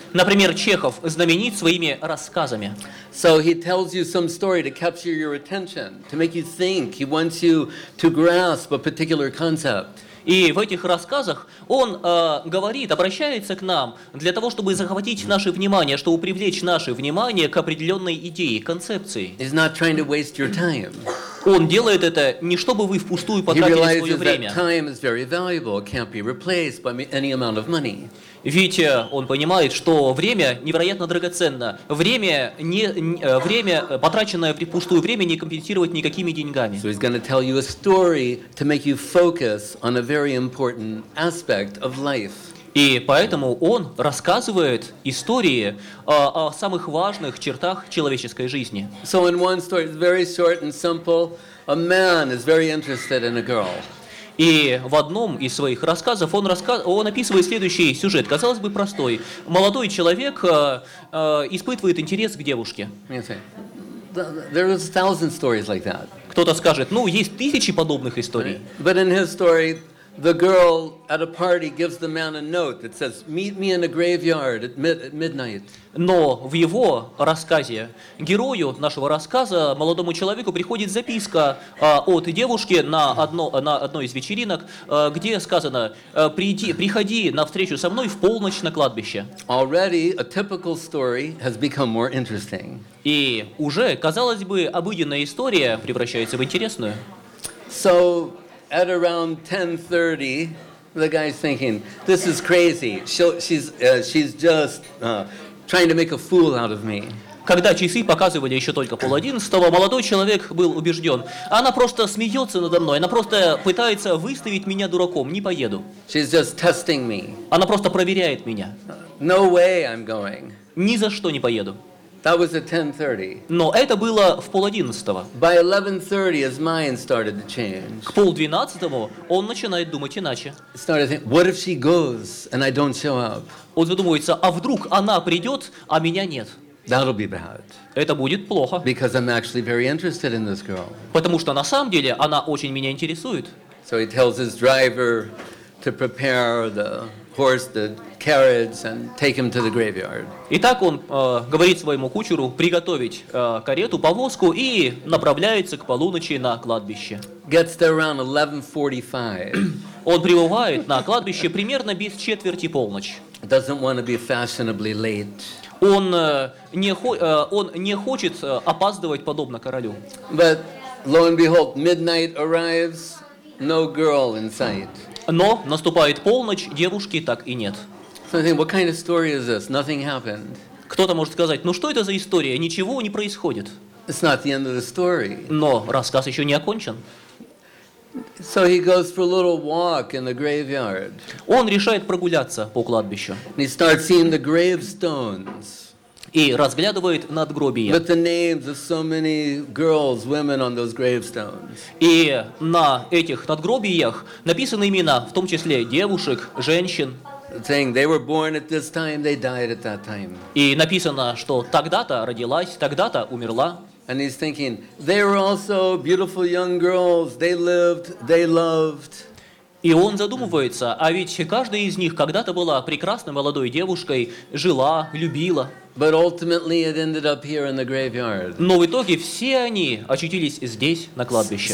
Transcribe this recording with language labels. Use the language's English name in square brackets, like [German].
[Russian] Например, Чехов знаменит своими рассказами. [English] So he tells you some story to capture your attention, to make you think. He wants you to grasp a particular concept. [Russian] И в этих рассказах он говорит, обращается к нам для того, чтобы захватить наше внимание, чтобы привлечь наше внимание к определенной идее, концепции. [English] He's not trying to waste your time. [Russian] Он делает это не чтобы вы впустую потратили свое время. [English] That time is very valuable, can't be replaced by any amount of money. [Russian] Ведь он понимает, что время невероятно драгоценно. Время, потраченное впустую время, не компенсировать никакими деньгами. [English] So he's going to tell you a story to make you focus on a very important aspect of life. [Russian] И поэтому он рассказывает истории о самых важных чертах человеческой жизни. [English] So in one story, it's very short and simple, a man is very interested in a girl. [Russian] И в одном из своих рассказов он описывает следующий сюжет. Казалось бы, простой. Молодой человек испытывает интерес к девушке. [English] There are thousands of stories like that. [Russian] Кто-то скажет, ну, есть тысячи подобных историй. [English] But in his story, the girl at a party gives the man a note that says, "Meet me in a graveyard at midnight." [Russian] Но в его рассказе герою нашего рассказа молодому человеку приходит записка от девушки на одной из вечеринок, где сказано: приходи на встречу со мной в полночь на кладбище. [English] Already a typical story has become more interesting. [Russian] И уже, казалось бы, обыденная история превращается в интересную. [English] So at around 10:30, the guy's thinking, "This is crazy. She's just trying to make a fool out of me." [Russian] Когда часы показывали еще только 10:30, молодой человек был убежден: она просто смеется надо мной, она просто пытается выставить меня дураком, не поеду. [English] She's just testing me. [Russian] Она просто проверяет меня. [English] No way I'm going. [Russian] Ни за что не поеду. [English] That was at 10:30. [Russian] Но это было в 10:30. [English] By 11:30, his mind started to change. [Russian] К 11:30 он начинает думать иначе. [English] Started thinking, what if she goes and I don't show up? [Russian] Он задумывается, а вдруг она придет, а меня нет? [English] That'll be bad. [Russian] Это будет плохо. [English] Because I'm actually very interested in this girl. [Russian] Потому что на самом деле она очень меня интересует. [English] So he tells his driver to prepare the horse, the carriage, and take him to the graveyard. [Russian] Итак, он говорит своему кучеру приготовить карету, повозку и направляется к полуночи на кладбище. [English] Gets there around 11:45. [Russian] Он прибывает на кладбище примерно без 11:45. [English] Doesn't want to be fashionably late. [Russian] Он не хочет опаздывать подобно королю. [English] But lo and behold, midnight arrives, no girl in sight. [Russian] Но наступает полночь, девушки так и нет. [English] So I think, what kind of story is this? Nothing happened. [Russian] Кто-то может сказать, ну что это за история? Ничего не происходит. [English] It's not the end of the story. [Russian] Но рассказ еще не окончен. [English] So he goes for a little walk in the graveyard. [Russian] Он решает прогуляться по кладбищу. [English] He starts seeing the gravestones. [Russian] И разглядывает надгробия. [English] But the names of so many girls, women on those gravestones. [Russian] И на этих надгробиях написаны имена, в том числе девушек, женщин. [English] Saying they were born at this time, they died at that time. [Russian] И написано, что тогда-то родилась, тогда-то умерла. [English] And he's thinking, they were also beautiful young girls. They lived, they loved. [Russian] И он задумывается, а ведь каждая из них когда-то была прекрасной молодой девушкой, жила, любила. [English] But ultimately, it ended up here in the graveyard. [Russian] Но в итоге все они очутились здесь, на кладбище.